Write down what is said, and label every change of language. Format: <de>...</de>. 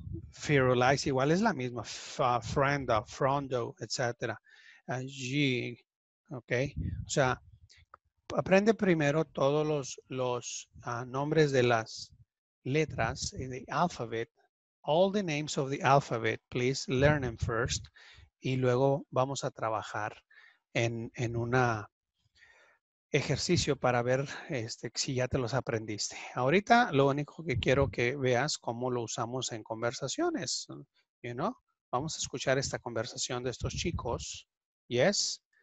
<es>ferulis, igual es la misma, frondo, frondo, etc., g, ok, o sea, aprende primero todos los nombres de las letras</es> <en>in the alphabet. All the names of the alphabet, please learn them first.</en> <es>Y luego vamos a trabajar en un ejercicio para ver si ya te los aprendiste. Ahorita lo único que quiero que veas cómo lo usamos en conversaciones.</es> <en>You know?</en> <es>Vamos a escuchar esta conversación de estos chicos. Yes.</es>